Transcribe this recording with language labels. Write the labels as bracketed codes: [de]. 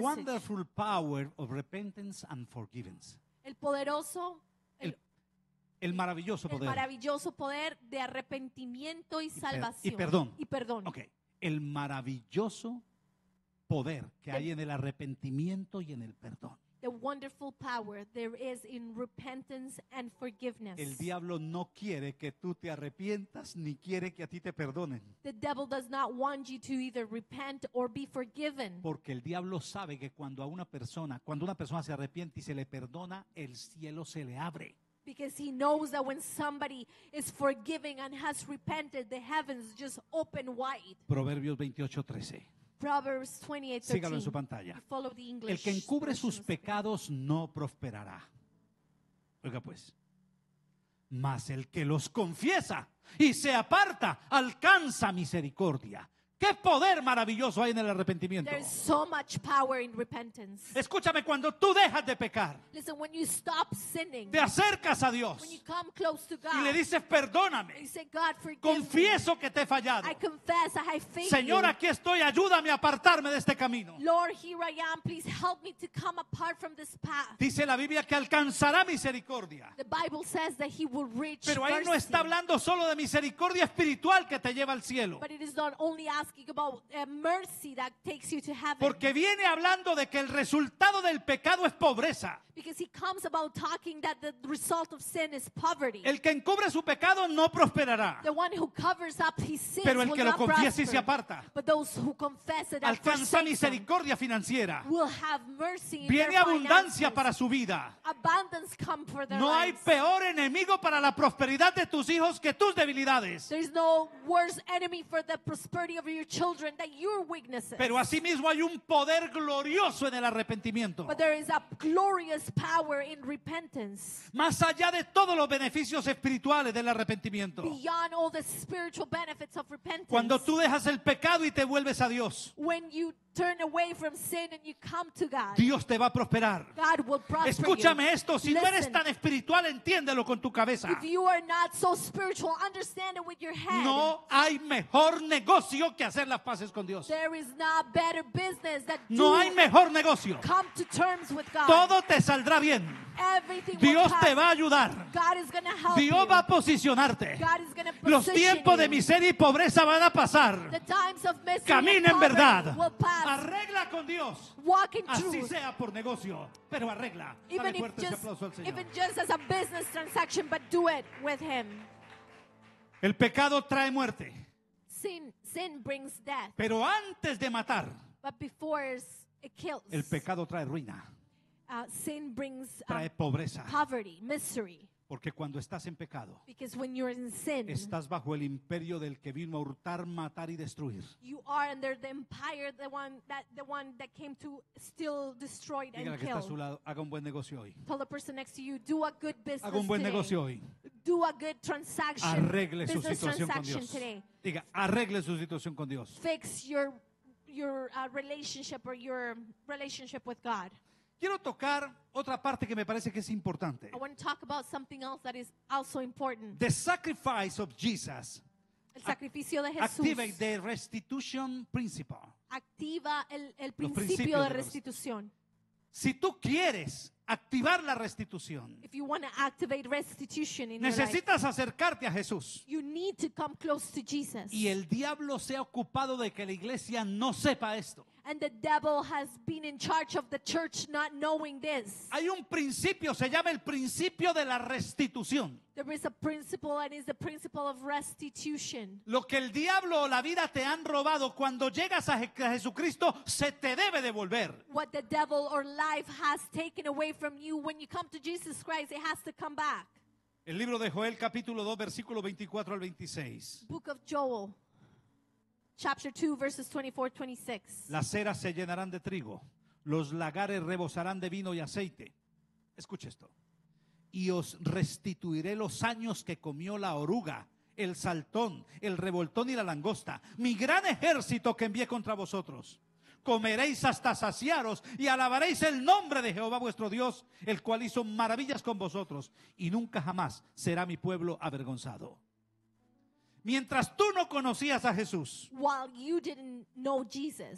[en] Wonderful Power of Repentance and Forgiveness. [es] El poderoso... El maravilloso poder. El maravilloso poder de arrepentimiento y salvación. Y perdón. Y perdón. Ok. El maravilloso poder que hay en el arrepentimiento y en el perdón. [en] The wonderful power there is in repentance and forgiveness. [es] El diablo no quiere que tú te arrepientas ni quiere que a ti te perdonen. [en] The devil does not want you to either repent or be forgiven. [es] Porque el diablo sabe que cuando una persona se arrepiente y se le perdona, el cielo se le abre. [en] Because he knows that when somebody is forgiving and has repented, the heavens just open wide. [es] Proverbios 28, 13. [en] Proverbs 28, 13. [es] Sígalo en su pantalla. [en] Follow the English. [es] El que encubre sus pecados no prosperará. Oiga pues. Mas el que los confiesa y se aparta alcanza misericordia. ¿Qué poder maravilloso hay en el arrepentimiento? [en] There is so much power in repentance. [es] Escúchame, cuando tú dejas de pecar, [en] listen, when you stop sinning, [es] te acercas a Dios, [en] when you come close to God, [es] y le dices, perdóname, [en] you say, God, forgive [es] confieso [en] me, [es] que te he fallado. [en] I confess I have failed. [es] Señor, aquí estoy, ayúdame a apartarme de este camino. [en] Lord, here I am, please help me to come apart from this path. [es] Dice la Biblia que alcanzará misericordia. [en] The Bible says that he will reach [es] pero ahí [en] mercy. [es] No está hablando solo de misericordia espiritual que te lleva al cielo. [en] But it is not only asking about mercy that takes you to heaven. [es] Porque viene hablando de que el resultado del pecado es pobreza. [en] Because he comes about talking that the result of sin is poverty. [es] El que encubre su pecado no prosperará. [en] The one who covers up his sins. [es] Pero el que [en] will [es] lo confiese y se aparta. [en] But those who confess it [es] alcanza misericordia financiera. [en] Will have mercy in [es] viene abundancia [en] finances. [es] Para su vida. [en] Abundance come for their [es] no [en] lives. [es] Hay peor enemigo para la prosperidad de tus hijos que tus debilidades. [en] There is no worse enemy for the prosperity of your children that your weaknesses. [es] Pero asimismo hay un poder glorioso en el arrepentimiento. [en] But there is a glorious power in repentance. [es] Más allá de todos los beneficios espirituales del arrepentimiento. [en] Beyond all the spiritual benefits of repentance. [es] Cuando tú dejas el pecado y te vuelves a Dios. [en] When you turn away from sin and you come to God. [es] Dios te va a prosperar. [en] God will prosper you. [es] Escúchame esto, si no eres tan espiritual, entiéndelo con tu cabeza. [en] If you are not so spiritual, understand it with your head. [es] No hay mejor negocio que hacer las paces con Dios. [en] There is not better business that [es] no hay mejor negocio. [en] Come to terms with God. [es] Todo te saldrá bien. [en] Everything [es] Dios te va a ayudar. [en] God is going to help [es] Dios [en] you. [es] Va a posicionarte. [en] God is going to position [es] los tiempos [en] you. [es] De miseria y pobreza van a pasar. [en] The times of misery [es] camina [en] and [es] en verdad. [en] Will pass. [es] Arregla con Dios. [en] Walk in truth. [es] Así sea por negocio, pero arregla. [en] Even [es] dale fuerte ese aplauso al Señor. [en] Even just as a business transaction, but do it with him. [es] El pecado trae muerte. [en] Sin brings death. [es] Pero antes de matar. [en] But before it kills. [es] El pecado trae ruina. [en] Sin brings [es] trae pobreza. [en] Poverty, misery. [es] Porque cuando estás en pecado, [en] because when you're in sin, [es] estás bajo el imperio del que vino a hurtar, matar y destruir. [en] You are under the empire, the one that came to steal, destroy and kill. [es] Diga que está a su lado, haga un buen negocio hoy. [en] Tell the person next to you, do a good business. [es] Haga un buen [en] today. [es] Negocio hoy. [en] Do a good transaction. [es] Arregle su situación con Dios. Diga, arregle su situación con Dios. [en] Fix your relationship with God. [es] Quiero tocar otra parte que me parece que es importante. [en] I want to talk about something else that is also important. The sacrifice of Jesus. [es] El sacrificio de Jesús. [en] Activa the restitution principle. [es] Activa el principio de restitución. Si tú quieres activar la restitución, [en] if you want to activate restitution in [es] necesitas [en] your life, [es] acercarte a Jesús. [en] You need to come close to Jesus. [es] Y el diablo se ha ocupado de que la iglesia no sepa esto. [en] and the devil has been in charge of the church not knowing this. [es] Hay un principio, se llama el principio de la restitución. [en] There is a principle and it's the principle of restitution. [es] Lo que el diablo o la vida te han robado, cuando llegas a Jesucristo, se te debe devolver. [en] What the devil or life has taken away from you, when you come to Jesus Christ, it has to come back. [es] El libro de Joel, capítulo 2, versículo 24 al 26. [en] Book of Joel. Chapter 2, verses 24-26. [es] Las eras se llenarán de trigo, los lagares rebosarán de vino y aceite. Escuche esto. Y os restituiré los años que comió la oruga, el saltón, el revoltón y la langosta, mi gran ejército que envié contra vosotros. Comeréis hasta saciaros y alabaréis el nombre de Jehová vuestro Dios, el cual hizo maravillas con vosotros, y nunca jamás será mi pueblo avergonzado. Mientras tú no conocías a Jesús, [en] while you didn't know Jesus,